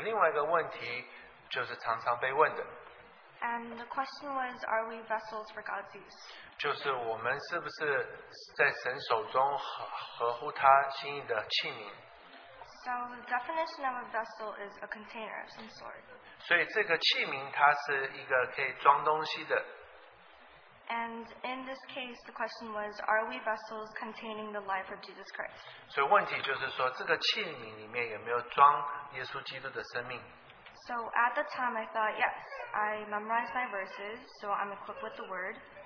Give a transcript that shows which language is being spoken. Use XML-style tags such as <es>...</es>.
<zh>所以在特会当中，除了主题的圣经节，有另外一个问题，就是常常被问的。</zh> <en>And the question was, are we vessels for God's use?</en> <zh>就是我们是不是在神手中合乎他心意的器皿?</zh> <en>So the definition of a vessel is a container of some sort.</en> <zh>所以这个器皿它是一个可以装东西的。</zh> <en>And in this case, the question was, are we vessels containing the life of Jesus Christ?</en> <zh>所以问题就是说，这个器皿里面有没有装耶稣基督的生命?</zh> <en>So at the time, I thought, yes, I memorized my verses, so I'm equipped with the word.</en>